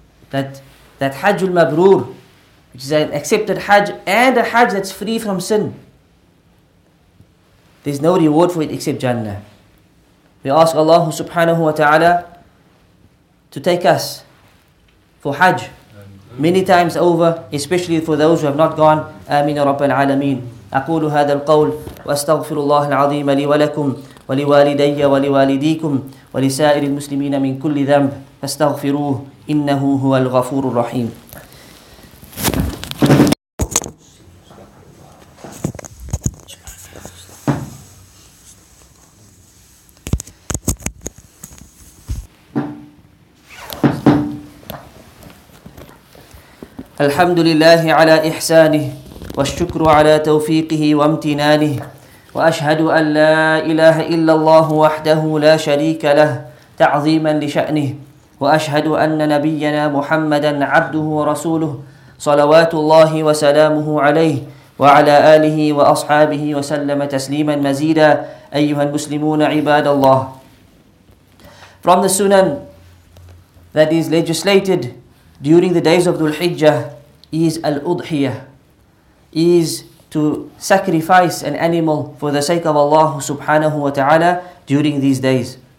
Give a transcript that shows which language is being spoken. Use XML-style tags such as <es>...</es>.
<en>That Hajj al-Mabroor, which is an accepted Hajj, and a Hajj that's free from sin, there's no reward for it except Jannah. We ask Allah subhanahu wa ta'ala to take us for Hajj many times over, especially for those who have not gone. Ameen, Rabbil Alameen.</en> <ar>أقول هذا القول وأستغفر الله العظيم لي ولكم ولوالدي ولوالديكم ولسائر المسلمين من كل ذنب فاستغفروه إنه هو الغفور الرحيم. الحمد لله على إحسانه والشكر على توفيقه وامتنانه وأشهد أن لا إله إلا الله وحده لا شريك له تعظيما لشأنه وأشهد أن نبينا محمدا عبده ورسوله صلوات الله وسلامه عليه وعلى آله وأصحابه وسلم تسليما مزيدا أيها المسلمون عباد الله.</ar> <en>From the Sunan that is legislated during the days of Dhul Hijjah is al-udhiyah, is to sacrifice an animal for the sake of Allah subhanahu wa ta'ala during these days.</en>